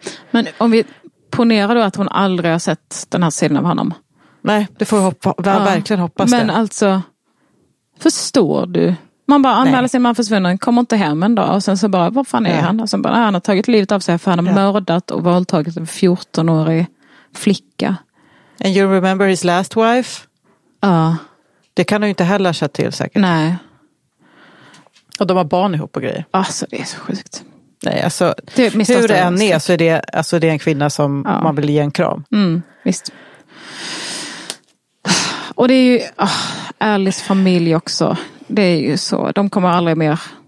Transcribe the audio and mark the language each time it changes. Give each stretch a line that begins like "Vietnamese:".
Swedish: Men om vi ponerar då att hon aldrig har sett den här sidan av honom. Nej, det får jag verkligen hoppas. Men det, alltså, förstår du? Man bara anmäler sin man försvunnen, kommer inte hem en dag och sen så bara, var fan är han? Och sen bara, han har tagit livet av sig för han har mördat och våldtagit en 14-årig flicka.
English: And you remember his last wife?
Swedish: Ja. Det kan du ju inte heller känna till säkert. Nej. Och de har barn ihop och grejer. Alltså det är så sjukt. Nej, alltså det, hur det än är så är det, alltså, det är en kvinna som man vill ge en kram. Mm, visst. Och det är ju Alices familj också. Det är ju så. De kommer aldrig mer.